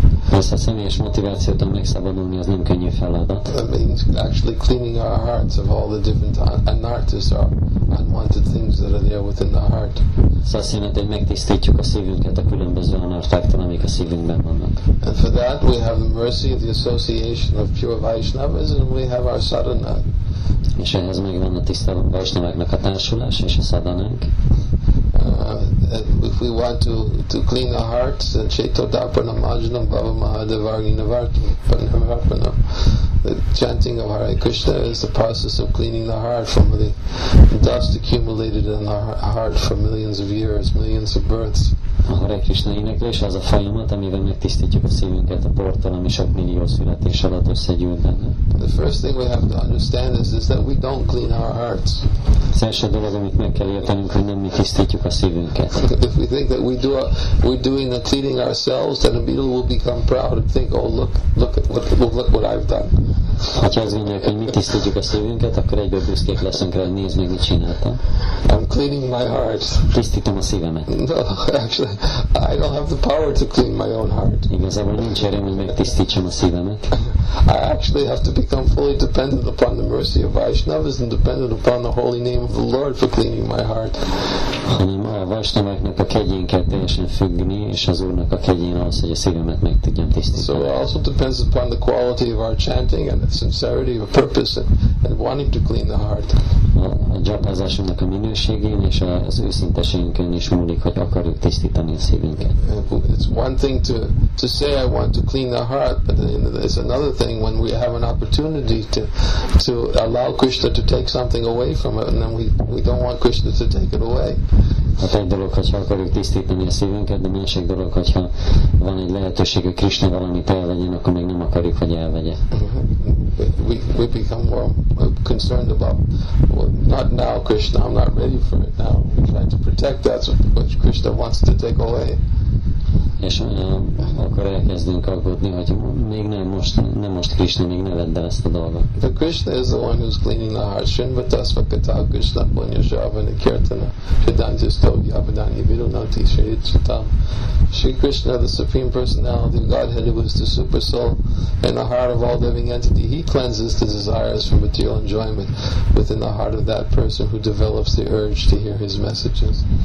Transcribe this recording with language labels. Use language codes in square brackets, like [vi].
[hu] Persze, a személyes motivációt megszabadulni az nem könnyű feladat. [en] That means actually cleaning our hearts of all the different anarthas or unwanted things that are there within the heart. [hu] Szóval azt jelenti, hogy megtisztítjuk a szívünket a különböző anarthaktól, amik a szívünkben vannak. [en] And for that we have the mercy of the association of pure Vaishnavas and we have our sadhana. [hu] És ehhez megvan a tiszta Vaishnavaknak a társulás és a sadhanánk. [en] If we want to clean our hearts, then [sa] Chaitodarpanam Ajnam Bhava Mahadevargi Navarpanam. [en] The chanting of Hare Krishna is the process of cleaning the heart from the dust accumulated in our heart for millions of years, millions of births. [hu] A Hare Krishna éneklés az a folyamat, amivel megtisztítjuk a szívünket a portal, ami sok millió születés alatt összegyűlt benne. [en] The first thing we have to understand is that we don't clean our hearts. [hu] Az első dolog, amit meg kell értenünk, hogy nem mi tisztítjuk a szívünket. [en] If we think that we're doing the cleaning ourselves, then a beetle will become proud and think, oh look what I've done. [hu] Ha azt gondoljuk, hogy mi tisztítjuk a szívünket, akkor egyből büszkék leszünk rá, hogy nézd meg, mit csináltam. [en] I'm cleaning my heart. [hu] Tisztítom a szívemet. [en] No, actually, I don't have the power to clean my own heart. [hu] Igazából nincs erőm, hogy megtisztítsam a szívemet. [en] I actually have to become fully dependent upon the mercy of Vaishnavas and dependent upon the holy name of the Lord for cleaning my heart. [hu] Hanem a Vaishnavaknak a kegyén kell teljesen függni, és az Úrnak a kegyén az, hogy a szívemet meg tudjam tisztítani. [en] So it also depends upon the quality of our chanting and the sincerity of purpose and wanting to clean the heart. [hu] A japázásunknak a minőségén és az őszinteségünkön is múlik, hogy akarjuk tisztítani a szívünket. [en] It's one thing to say I want to clean the heart, but it's another thing when we have an opportunity to allow Krishna to take something away from it, and then we don't want Krishna to take it away. [hu] Hát egy dolog, hogyha akarjuk tisztítani a szívünket, de másik dolog, hogyha van egy lehetőség, hogy Krishna valamit elvegyen, akkor még nem akarjuk, hogy elvegye. [en] We become more concerned about, well, not now, Krishna, I'm not ready for it now. We try to protect that which Krishna wants to take away. [hu] És akkor elkezdünk aggódni, hogy még nem most, nem most Krishna, még ne vedd el ezt a dolgot. [en] The Krishna is the one who's cleaning the heart. [sa] Srinvatasva kata Krishna punya shravana kirtana vedanta stogi abhidani virunati shri chitam. [en] Shri Krishna, the Supreme Personality of Godhead, who is the Super Soul in the heart of all living entity, he cleanses the desires for material enjoyment within the heart of that person who develops the urge to hear his messages.